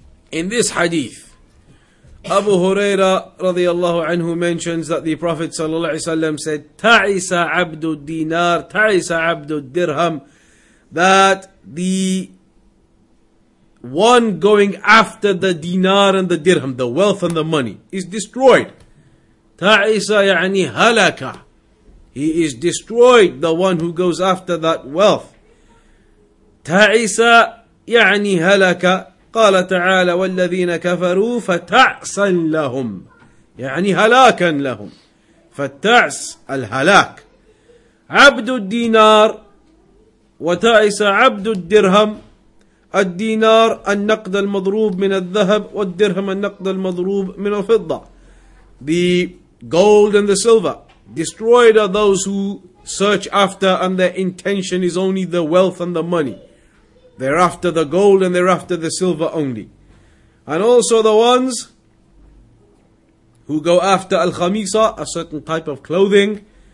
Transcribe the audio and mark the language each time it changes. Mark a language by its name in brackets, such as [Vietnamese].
[English] In this hadith, Abu Huraira رضي الله عنه mentions that the Prophet صلى الله عليه وسلم said, [Arabic] تعس عبد الدينار, تعس عبد الدرهم, [English] that the one going after the dinar and the dirham, the wealth and the money, is destroyed. [Arabic] تعس يعني هلك. He is destroyed, the one who goes after that wealth. تعس يعني هلك. قال تعالى والذين كفروا فتعسا لهم يعني هلاكا لهم. فالتعس الهلاك. عبد الدينار وتعس عبد الدرهم. الدينار النقد المضروب من الذهب، والدرهم النقد المضروب من الفضة. [English] The gold and the silver. Destroyed are those who search after and their intention is only the wealth and the money. They're after the gold and they're after the silver only. And also the ones who go after al-khamisa, a certain type of clothing.